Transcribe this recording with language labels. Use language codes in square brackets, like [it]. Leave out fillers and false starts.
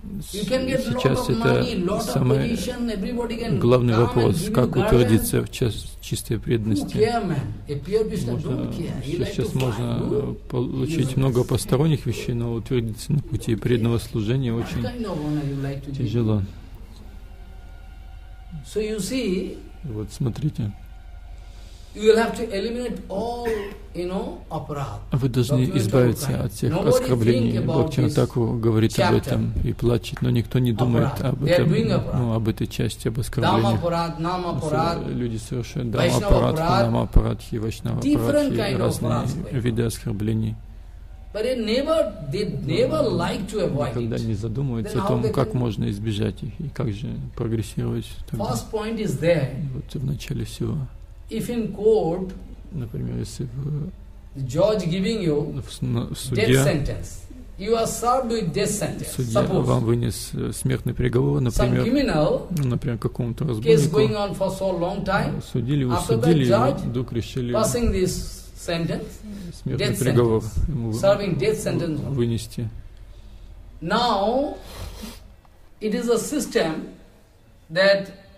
[ru] сейчас это самый главный вопрос, как утвердиться в чистой преданности. Сейчас можно получить много посторонних вещей, но утвердиться на пути преданного служения очень тяжело. [en] So you see, [ru] вот смотрите, [en] You will have to eliminate all, you know, apraat. [ru] Вы должны избавиться от всех оскорблений. Бхактинатаку говорит об этом и плачет, но никто не думает об этом, ну, об этой части, об оскорблениях. Люди совершают дама-апарат, нама-апаратхи, вайшнава-апаратхи, разные виды оскорблений. Никогда не задумываются о том, как можно избежать их и как же прогрессировать. [en] Тогда. First point is there. [ru] Вот в начале всего. [en] If in court, [ru] например, если в [en] judge giving you death sentence, you are served with death sentence. [ru] Судья вам вынес смертный приговор, например, какому-то разбойнику. [en] Case going on for so long time. [ru] Судили, усудили, вдруг решили [en] passing this sentence, [ru] смертный приговор ему [en] serving death sentence [ru] вынести. [en] Now, it is a system that